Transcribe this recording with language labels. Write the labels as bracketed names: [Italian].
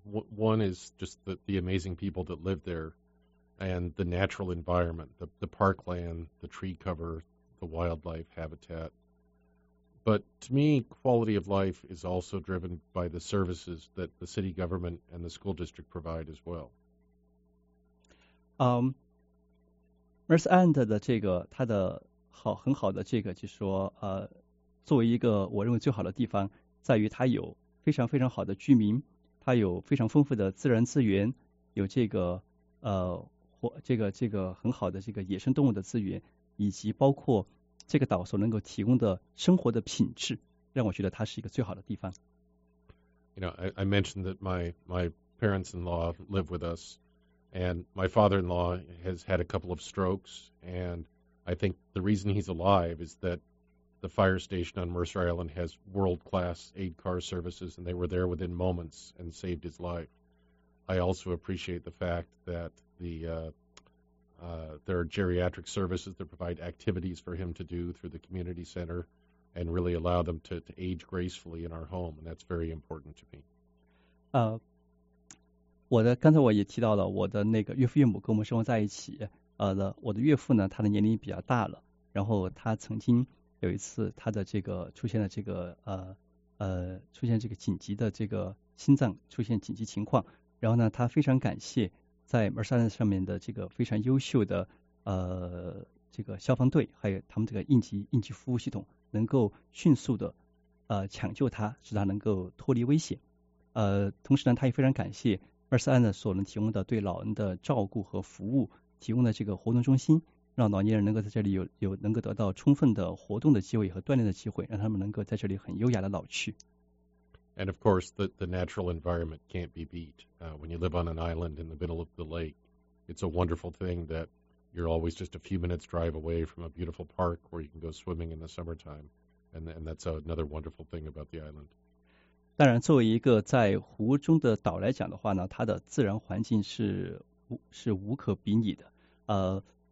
[English] One is just the amazing people that live there and the natural environment, the parkland, the tree cover, the wildlife habitat. But to me, quality of life is also driven by the services that the city government and the school district provide as well. [Chinese] Mercer Island 的这个它的好很好的这个就是说作为一个我认为最好的地方，在于它有非常非常好的居民，它有非常丰富的自然资源，有这个很好的这个野生动物的资源，以及包括这个岛所能够提供的生活的品质，让我觉得它是一个最好的地方。 [English] You know, I mentioned that my parents-in-law live with us, and my father-in-law has had a couple of strokes, and I think the reason he's alive is that the fire station on Mercer Island has world-class aid car services, and they were there within moments and saved his life. I also appreciate the fact that there are geriatric services that provide activities for him to do through the community center and really allow them to age gracefully in our home, and that's very important to me. [Chinese] 刚才我也提到了我的那个岳父岳母跟我们生活在一起，我的岳父呢，他的年龄比较大了，然后他曾经有一次他的这个出现了这个出现这个紧急的这个心脏出现紧急情况，然后呢，他非常感谢在 Mercer Island 上面的这个非常优秀的这个消防队，还有他们这个应急服务系统，能够迅速的抢救他，使他能够脱离危险。同时呢，他也非常感谢 Mercer Island 所能提供的对老人的照顾和服务，提供的这个活动中心，让老年人能够在这里有能够得到充分的活动的机会和锻炼的机会，让他们能够在这里很优雅的老去。 [English] And of course, the natural environment can't be beat. When you live on an island in the middle of the lake, it's a wonderful thing that you're always just a few minutes drive away from a beautiful park where you can go swimming in the summertime. And that's another wonderful thing about the island. [Chinese] 当然，作为一个在湖中的岛来讲的话呢，它的自然环境是无可比拟的。